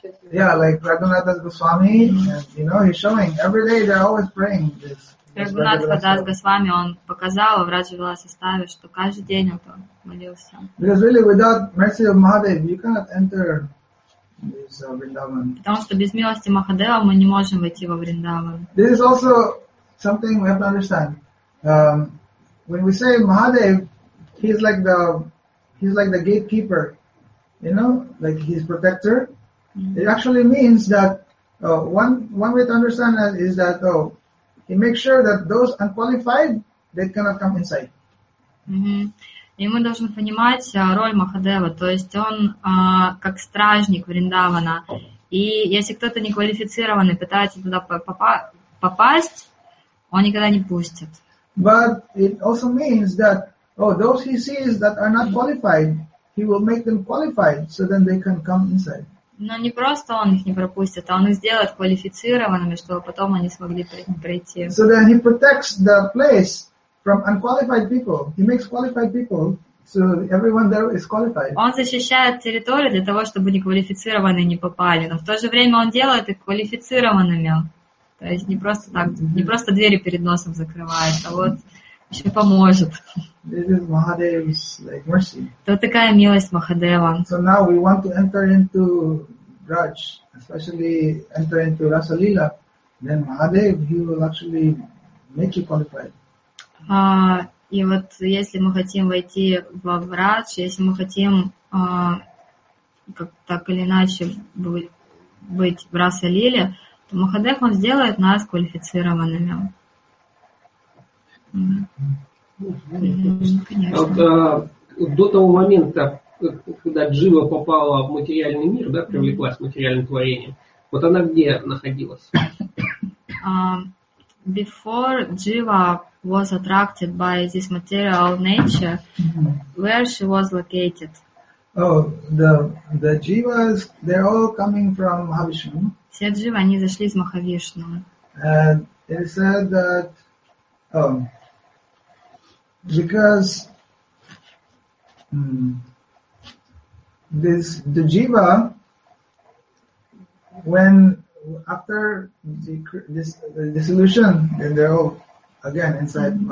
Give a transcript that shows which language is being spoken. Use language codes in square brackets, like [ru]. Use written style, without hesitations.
[en] Yeah, like Raghunath Das Goswami, you know, he's showing every day they're always praying this. [ru] Раджунат Хадас Госвами, он показал в Раджа Вилас составе, что каждый день он там молился. [en] Because really without mercy of Mahadev, you cannot enter this Vrindavan. [ru] Потому что без милости Махадева мы не можем войти во Вриндаван. [en] This is also something we have to understand. When we say Mahadev, he's like the gatekeeper, you know, like his protector. Mm-hmm. It actually means that one way to understand that is that he makes sure that those unqualified, they cannot come inside. [ru] Mm-hmm. И мы должны понимать роль Махадева. То есть он как стражник Вриндавана. И если кто-то неквалифицированный пытается туда попасть, он никогда не пустит. [en] But it also means that those he sees that are not qualified, he will make them qualified so then they can come inside. [ru] Но не просто он их не пропустит, а он их сделает квалифицированными, чтобы потом они смогли прийти. [en] So then he protects the place from unqualified people. He makes qualified people so everyone there is qualified. [ru] Он защищает территорию для того, чтобы неквалифицированные не попали. Но в то же время он делает их квалифицированными. То есть не просто так, не просто двери перед носом закрывает, а вот еще поможет. [en] This is Mahadev's like mercy. [ru] То такая милость Махадева. [en] So now we want to enter into Raj, especially enter into Rasa Lila. Then Mahadev, he will actually make you qualified. [ru] И вот если мы хотим войти в Радж, если мы хотим как так или иначе быть в Раса Лиле, то Махадев он сделает нас квалифицированными. Mm-hmm. Mm-hmm, вот, до того момента, когда Джива попала в материальный мир, да, привлеклась mm-hmm. к материальным творениям, вот она где находилась? [en] Before Jiva was attracted by this material nature, where she was located? The Jivas, they're all coming from Mahavishnu. [ru] Все Дживы, они зашли из Махавишну. [en] And it said that because this the jiva when after the dissolution then they're all again inside mm-hmm.